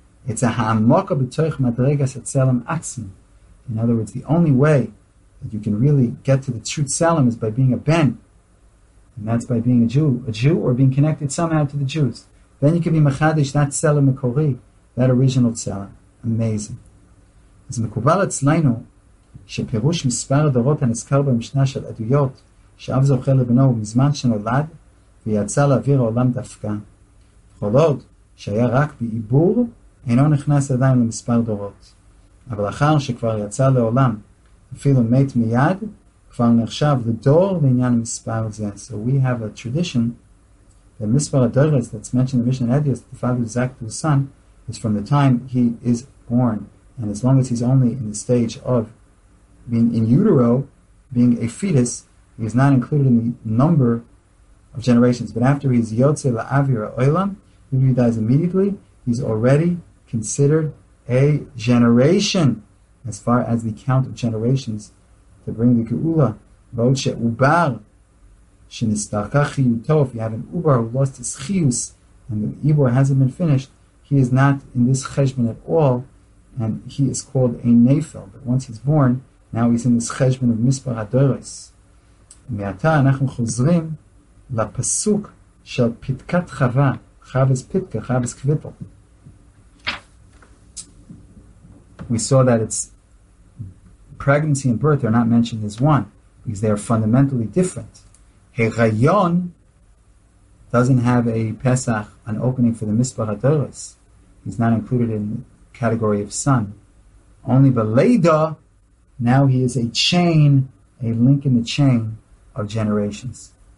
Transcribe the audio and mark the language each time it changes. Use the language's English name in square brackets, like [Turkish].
[English] It's a [Hebrew] Ha'amoka B'toich Madregas Atzelem Atzim. [English] In other words, the only way that you can really get to the true Tzelem is by being a Ben. And that's by being a Jew, or being connected somehow to the Jews. Then you can be Mechadish, that Tzelem Mekori, that original Tzelem. Amazing. [Hebrew] As Mekubal Atzleinu, שפירוש מספר הדורות הנזכר במשנה של עדויות שאב זוכה לבנו בזמן שנולד ויצא לאוויר העולם דווקא. כל עוד שהיה רק בעיבור, אינו נכנס עדיין למספר דורות. אבל אחר שכבר יצא לעולם, אפילו מת מיד, כבר נחשב לדור לעניין המספר הזה. [English] So we have a tradition that מספר הדורות, that's mentioned in the Mishnah Edius, the father of Zach to the son, is from the time he is born. And as long as he's only in the stage of being in utero, being a fetus, he is not included in the number of generations. But after he is [Hebrew] Yotze La'avira Oilam, [English] if he dies immediately, he's already considered a generation as far as the count of generations to bring the Geula. If you have an Ubar who lost his Chiyus and the Ibor hasn't been finished, he is not in this Cheshbon at all, and he is called a Nefel. But once he's born, now he's in this Cheshbon of Mispar HaDoros. [Hebrew] מעתה אנחנו חוזרים לפסוק של פתקת חווה, חווה פתקה, חווה כביתו. [English] We saw that it's pregnancy and birth are not mentioned as one, because they are fundamentally different. היריון doesn't have a Pesach, an opening for the מספר הדורס. He's not included in the category of son. Only בלידה, now he is a chain, a link in the chain, of generations.